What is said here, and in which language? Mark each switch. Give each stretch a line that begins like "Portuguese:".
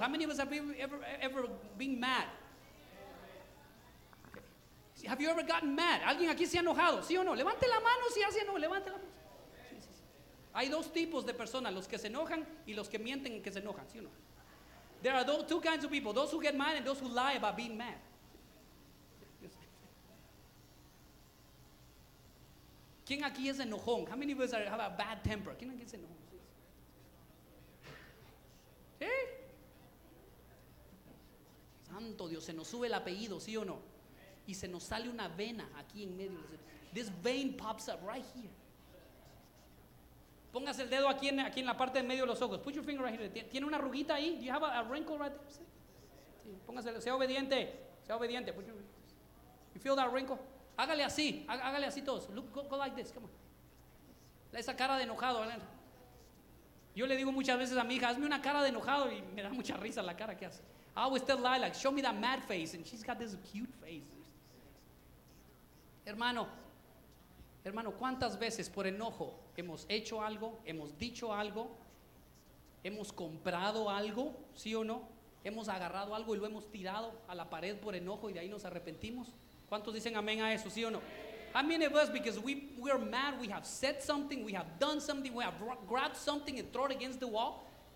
English: How many of us have ever been mad?
Spanish: Okay.
English: Have you ever gotten mad?
Spanish: ¿Alguien aquí se ha enojado? ¿Sí o no? Levante la mano si hace enojo, levante la mano. Sí. Hay dos tipos de personas, los que se enojan y los que mienten que se enojan, ¿sí o no?
English: There are two kinds of people, those who get mad and those who lie about being mad.
Spanish: ¿Quién aquí es enojón?
English: How many of us have a bad temper?
Spanish: ¿Quién aquí es enojón? ¿Sí? Santo Dios, se nos sube el apellido, ¿sí o no? Y se nos sale una vena aquí en medio.
English: This vein pops up right here.
Spanish: Póngase el dedo aquí en la parte de medio de los ojos.
English: Put your finger right here.
Spanish: ¿Tiene una ruguita ahí?
English: Do you have a wrinkle right there? Sí.
Spanish: Póngase, sea obediente.
English: You feel that wrinkle?
Spanish: Hágale así todos.
English: Go like this, come on.
Spanish: Esa cara de enojado. Yo le digo muchas veces a mi hija, hazme una cara de enojado, y me da mucha risa la cara que hace.
English: Ah, we still lie, like, show me that mad face, and she's got this cute face.
Spanish: Hermano, ¿cuántas veces por enojo hemos hecho algo, hemos dicho algo, hemos comprado algo, sí o no? Hemos agarrado algo y lo hemos tirado a la pared por enojo y de ahí nos arrepentimos. ¿Cuántos dicen amén a eso, sí o no?
English: How many of us, because we are mad, we have said something, we have done something, we have grabbed something and thrown it against the wall?